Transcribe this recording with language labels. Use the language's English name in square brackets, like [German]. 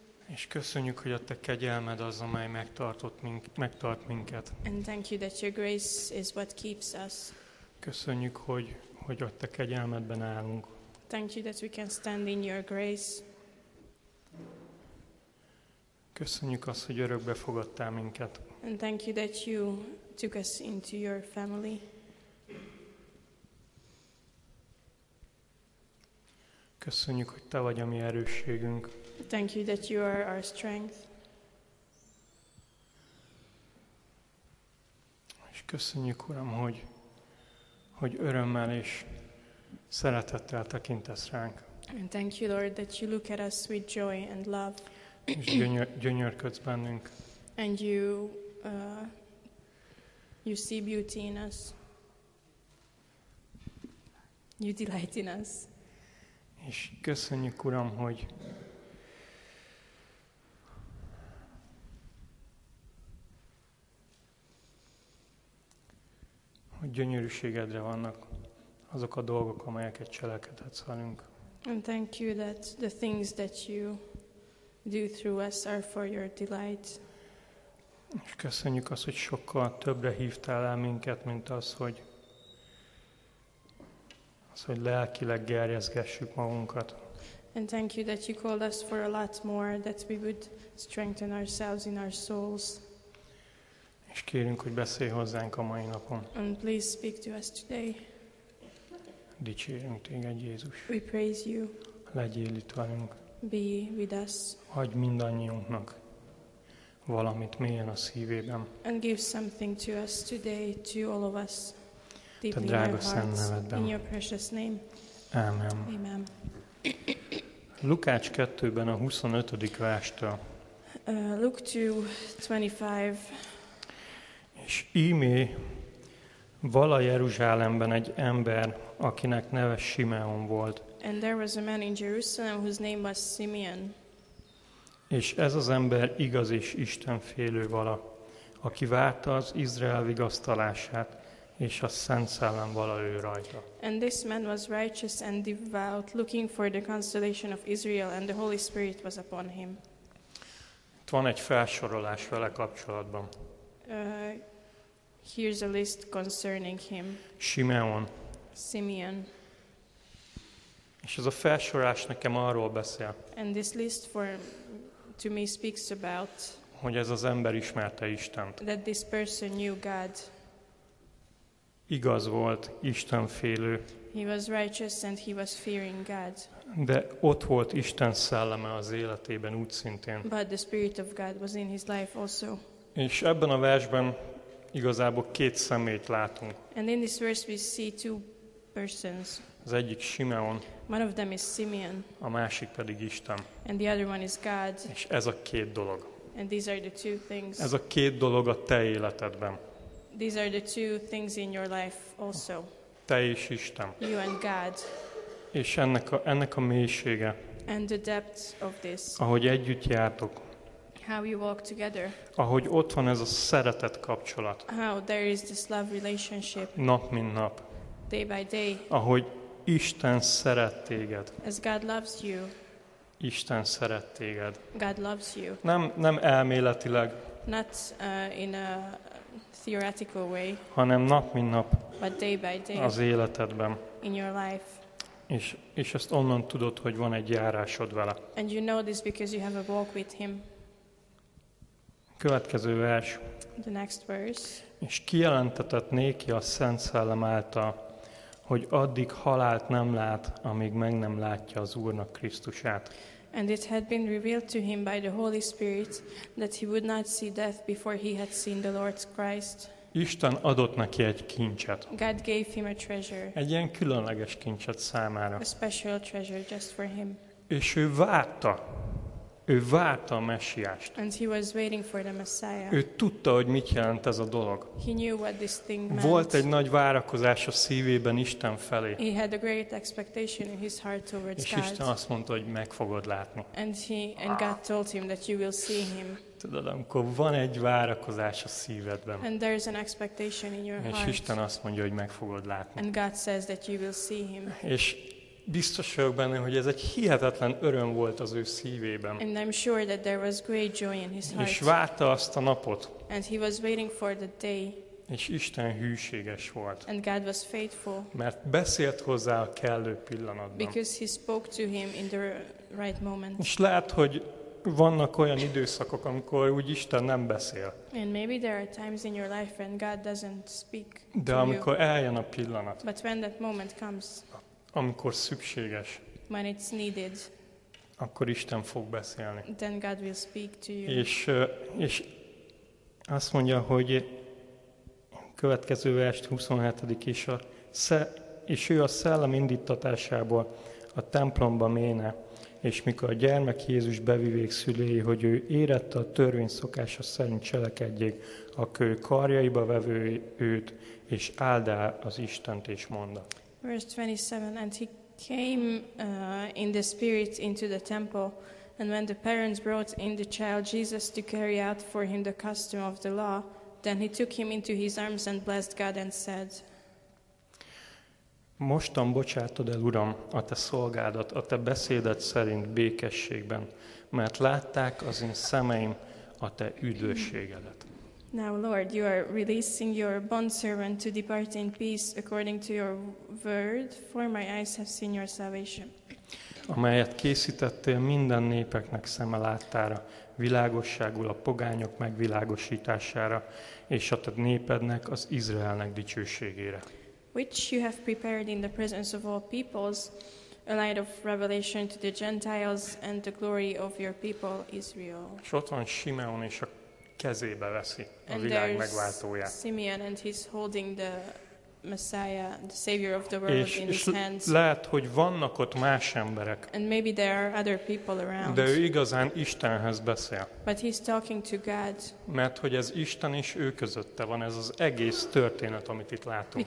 [Hungarian] És köszönjük, hogy a te kegyelmed az, amely megtart minket. [English] And thank you that your grace is what keeps us. [Hungarian] Köszönjük, hogy a te kegyelmedben állunk. [English] Thank you that we can stand in your grace. [Hungarian] Köszönjük azt, hogy örökbe fogadtál minket. [English] And thank you that you took us into your family. [Hungarian] Köszönjük, hogy te vagy a mi erősségünk. [English] Thank you that you are our strength. [Hungarian] És köszönjük, Uram, hogy örömmel és szeretettel tekintesz ránk. [English] And thank you, Lord, that you look at us with joy and love. [Hungarian] És gyönyörködsz bennünk. [English] And you see beauty in us. You delight in us. [Hungarian] És köszönjük, Uram, hogy gyönyörűségedre vannak azok a dolgok, amelyeket cselekedhetsz velünk. [English] And thank you that the things that you do through us are for your delight. [Hungarian] És köszönjük azt, hogy sokkal többre hívtál el minket, mint az, hogy lelkileg gerjezgessük magunkat. [English] And thank you that you called us for a lot more, that we would strengthen ourselves in our souls. [Hungarian] És kérünk, hogy beszélj hozzánk a mai napon. [English] And please speak to us today. [Hungarian] Dicsérünk téged, Jézus. [English] We praise you. [Hungarian] Legyél itt velünk. [English] Be with us. [Hungarian] Adj mindannyiunknak valamit mélyen a szívében. [English] And give something to us today, to all of us. [Hungarian] Te drága szent nevedben. [English] In your precious name. [Hungarian] Amen. [English] Amen. [Hungarian] Lukács 2-ben a 25. verstől. [English] Luke 2:25. [Hungarian] És ímé val a Jeruzsálemben egy ember, akinek neve Simeon volt. [English] And there was a man in Jerusalem whose name was Simeon. [Hungarian] És ez az ember igaz és istenfélő vala, aki várta az Izrael vigasztalását, és a Szent Szellem vala ő rajta. [English] And this man was righteous and devout, looking for the consolation of Israel, and the Holy Spirit was upon him. [Hungarian] Itt van egy felsorolás vele kapcsolatban. [English] Here's a list concerning him. [Hungarian] Simeon. [English] És ez a felsorás nekem arról beszél. [Hungarian] And this list to me speaks about. [English] Hogy ez az ember ismerte Istent. [Hungarian] That this person knew God. [English] Igaz volt, istenfélő. [Hungarian] He was righteous and he was fearing God. [English] De ott volt Isten szelleme az életében úgy szintén. [Hungarian] But the Spirit of God was in his life also. [English] És ebben a versben igazából két személyt látunk. [Hungarian] And in this verse we see two persons. [English] Az egyik Simeon. [Hungarian] One of them is Simeon. [English] A másik pedig Isten. [Hungarian] And the other one is God. [English] És ez a két dolog. [Hungarian] And these are the two things. [English] Ez a két dolog a te életedben. [Hungarian] These are the two things in your life also. [English] Te és Isten. [Hungarian] You and God. [English] És ennek a mélysége. [Hungarian] And the depth of this. [English] Ahogy együtt jártok. [Hungarian] How you walk together. [English] Ahogy ott van ez a szeretet kapcsolat. [Hungarian] How there is this love relationship. [English] Nap mint nap. [Hungarian] Day by day. [English] Ahogy Isten szeret téged. [Hungarian] As God loves you. [English] Isten szeret téged. [Hungarian] God loves you. [English] Nem elméletileg. [Hungarian] Not in a theoretical way. [English] Hanem nap mint nap. [Hungarian] But day by day. [English] Az életedben. [Hungarian] In your life. [English] És ezt onnan tudod, hogy van egy járásod vele. [Hungarian] And you know this because you have a walk with him. [English] Következő vers. [Hungarian] The next verse. [English] És kijelentetett néki a Szent Szellem által, hogy addig halált nem lát, amíg meg nem látja az Úrnak Krisztusát. [Hungarian] And it had been revealed to him by the Holy Spirit that he would not see death before he had seen the Lord Christ. [English] Isten adott neki egy kincset. [Hungarian] God gave him a treasure. [English] Egy ilyen különleges kincset számára. [Hungarian] A special treasure just for him. [English] És ő várta. Ő várta a Messiást. [Hungarian] And he was waiting for the Messiah. [English] Ő tudta, hogy mit jelent ez a dolog. [Hungarian] He knew what this thing meant. [English] Volt egy nagy várakozás a szívében Isten felé. [Hungarian] He had a great expectation in his heart towards [English] És [Hungarian] God. [English] Isten azt mondta, hogy meg fogod látni. [Hungarian] And God told him that you will see him. [English] Tudod, amikor van egy várakozás a szívedben. [Hungarian] And there is an expectation in your [English] heart. És Isten azt mondja, hogy meg fogod látni. [Hungarian] And God says that you will see him. [English] És biztos vagyok benne, hogy ez egy hihetetlen öröm volt az ő szívében. [Hungarian] And I'm sure that there was great joy in his heart. [English] És várta azt a napot. [Hungarian] And he was waiting for the day. [English] És Isten hűséges volt. [Hungarian] And God was faithful. [English] Mert beszélt hozzá a kellő pillanatban. [Hungarian] Because he spoke to him in the right moment. [English] És lehet, hogy vannak olyan időszakok, amikor úgy Isten nem beszél. [Hungarian] And maybe there are times in your life when God doesn't speak to [English] you. De amikor eljön a pillanat. [Hungarian] But when that moment comes. [English] Amikor szükséges. [Hungarian] When it's needed. [English] Akkor Isten fog beszélni. [Hungarian] Then God will speak to you. [English] És azt mondja, hogy következő vers 27. is a és ő a szellem indítatásából a templomba méne, és mikor a gyermek Jézus bevivék szülei, hogy ő érette a törvény szokása szerint cselekedjék, akkor karjaiba vevő őt, és áldá az Istent, és mondta. Verse 27, and he came in the spirit into the temple, and when the parents brought in the child Jesus to carry out for him the custom of the law, then he took him into his arms and blessed God and said, [Hungarian] Mostan bocsátod el, Uram, a te szolgádat, a te beszédet szerint békességben, mert látták az én szemeim a te üdvösségedet. [English] Now, Lord, you are releasing your bondservant to depart in peace according to your word, for my eyes have seen your salvation. [Hungarian] Amelyet készítettél minden népeknek szeme láttára, világosságul a pogányok megvilágosítására, és a te népednek, az Izraelnek dicsőségére. [English] Which you have prepared in the presence of all peoples, a light of revelation to the Gentiles and the glory of your people Israel. [Hungarian] És ott van Simeon és a kezébe veszi a világ megváltóját. [English] Simeon and he's holding the Messiah, the Savior of the world [Hungarian] és, [English] in his hands. [Hungarian] Lehet, hogy vannak ott más emberek. [English] And maybe there are other people around. [Hungarian] De ő igazán Istenhez beszél. [English] But he's talking to God. [Hungarian] Mert hogy ez Isten és ő közötte van, ez az egész történet, amit itt látunk.